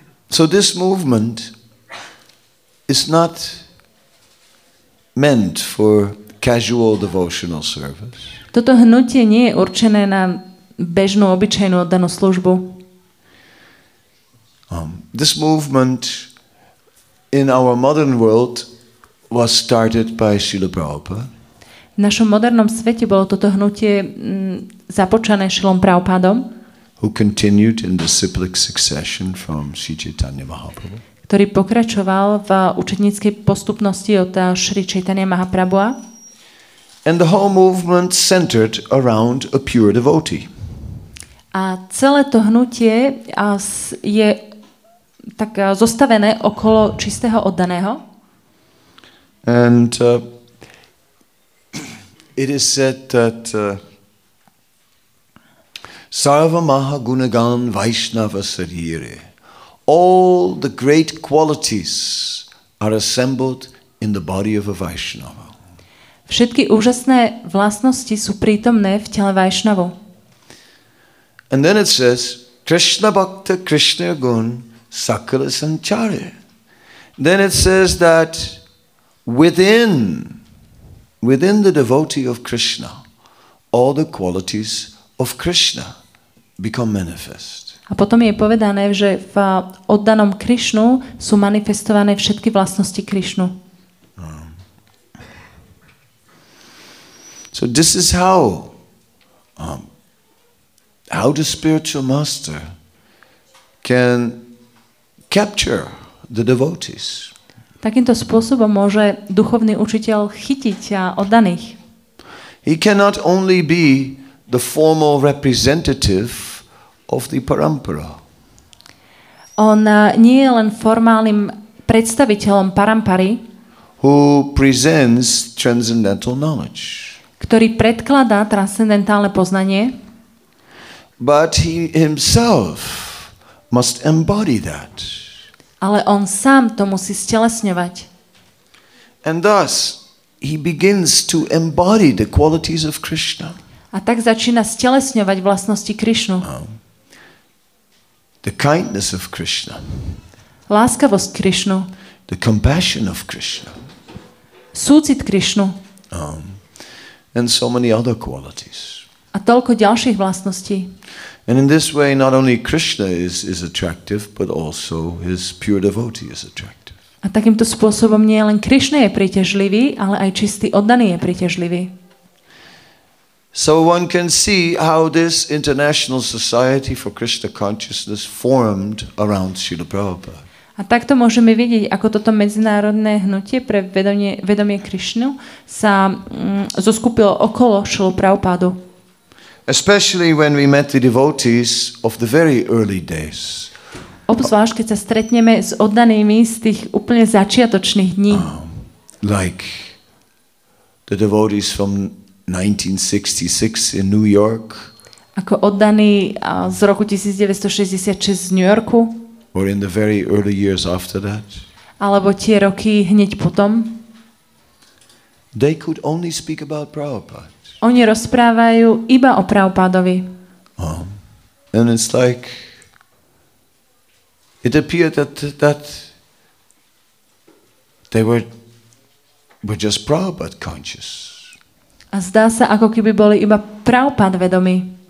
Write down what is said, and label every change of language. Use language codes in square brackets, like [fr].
[en] So this movement is not meant for casual devotional service. [sk] Toto hnutie nie je určené na bežnú obyčajnú oddanú službu. [en] This movement in our modern world was started by Srila Prabhupada. [sk] V našom modernom svete bolo toto hnutie započané Srilom Prabhupadom, [en] who continued in the cyclic succession from Sri Chaitanya Mahaprabhu. [sk] Ktorý pokračoval v učeníckej postupnosti od Sri Chaitanya Mahaprabhuha. [en] And the whole movement centered around a pure devotee. [sk] A celé to hnutie je tak zostavené okolo čistého oddaného. [en] And it is said that [bn] Sarva maha gunagan vaishnava sarire. [en] All the great qualities are assembled in the body of a vaishnava. [sk] Všetky úžasné vlastnosti sú prítomné v tele vaishnavu. [en] And then it says [bn] Krishna bhakta Krishna gun sakala sanchare. [en] Then it says that within the devotee of Krishna all the qualities of Krishna become manifest. [sk] A potom je povedané, že v oddanom Krišnu sú manifestované všetky vlastnosti Krišnu. [en] So this is how the spiritual master can capture the devotees. [sk] Takýmto spôsobom môže duchovný učiteľ chytiť oddaných. [en] He cannot only be the formal representative of the parampara. [sk] On nie je len formálnym predstaviteľom parampary, [en] who presents transcendental knowledge, [sk] ktorý predkladá transcendentálne poznanie, [en] but he himself must embody that. [sk] Ale on sám to musí stelesňovať. [en] And thus he begins to embody the qualities of Krishna. [sk] A tak začína stelesňovať vlastnosti Krišnu. [en] The kindness of Krishna. [sk] Láskavosť Krišnu. [en] The compassion of Krishna. [sk] Súcit Krišnu. [en] And so many other qualities. [sk] A toľko ďalších vlastností. [en] And in this way not only Krishna is attractive, but also his pure devotee is attractive. [sk] A takýmto spôsobom nie len Krišna je príťažlivý, ale aj čistý oddaný je príťažlivý. [en] So one can see how this International Society for Krishna Consciousness formed around Srila Prabhupada. [sk] A takto môžeme vidieť, ako toto medzinárodné hnutie pre vedomie Krišnu sa zoskupilo okolo Srila Prabhupada. [en] Especially when we met the devotees of the very early days. [sk] Obzvlášť, keď sa stretneme s oddanými z tých úplne začiatočných dní. [en] Like the devotees from 1966 in New York. [sk] Ako oddaný z roku 1966 z New Yorku. [en] Or in the very early years after that. [sk] Alebo tie roky hneď potom. [en] They could only speak about Prabhupada. [sk] Oni rozprávajú iba o Prabhupádovi. [en] And it's like it appeared that they were just Prabhupada conscious. [sk] A zdá sa, ako keby boli iba Prabhupád vedomí.